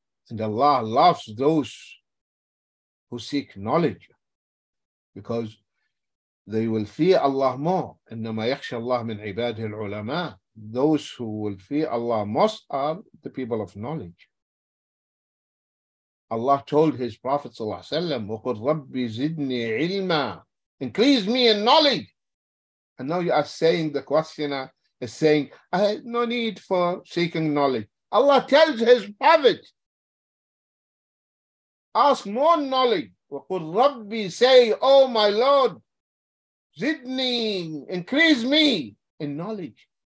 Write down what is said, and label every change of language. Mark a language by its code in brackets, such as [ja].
[en] And Allah loves those who seek knowledge because they will fear Allah more. [ar] إِنَّمَا يَخْشَى اللَّهُ مِنْ عِبَادِهِ الْعُلَمَاءِ. [en] Those who will fear Allah most are the people of knowledge. Allah told his Prophet ﷺ, [ar] وَقُلْ رَبِّ زِدْنِي عِلْمًا. [en] Increase me in knowledge. And now you are saying, the questioner is saying, I have no need for seeking knowledge. Allah tells his Prophet, ask more knowledge. [ar] وَقُلْ رَبِّ, [en] say, oh my Lord, [ar] زِدْنِي, [en] increase me in knowledge.